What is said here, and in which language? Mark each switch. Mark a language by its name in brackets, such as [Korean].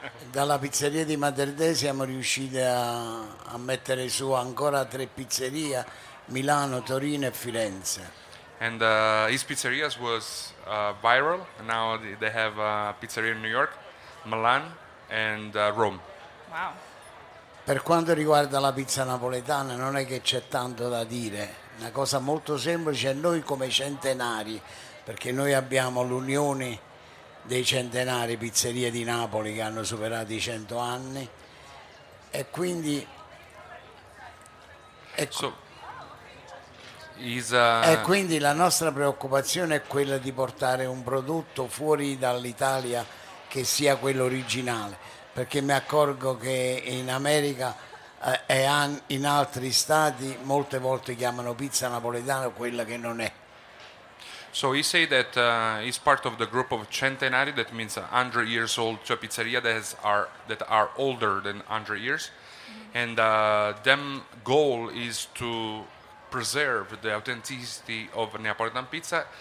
[Italian] Dalla pizzeria di Materde siamo riusciti a mettere su ancora tre pizzerie, Milano, Torino e Firenze. [English] And his pizzerias was viral. Now they have a pizzeria in New York, Milan, and Rome. Wow. [Italian] Per quanto riguarda la pizza napoletana, non è che c'è tanto da dire. Una cosa molto semplice: noi come centenari, perché noi abbiamo l'unione dei centenari pizzerie di Napoli che hanno superato i 100 anni, e quindi ecco. So. E quindi la nostra preoccupazione è quella di portare un prodotto fuori dall'Italia che sia quello originale, perché mi accorgo che in America e in altri stati molte volte chiamano pizza napoletana quella che non è. [English] So he say that he's part of the group of centenari, that means 100 years old, cioè pizzeria that are older than 100 years, and them goal is to preserve the authenticity of Neapolitan pizza.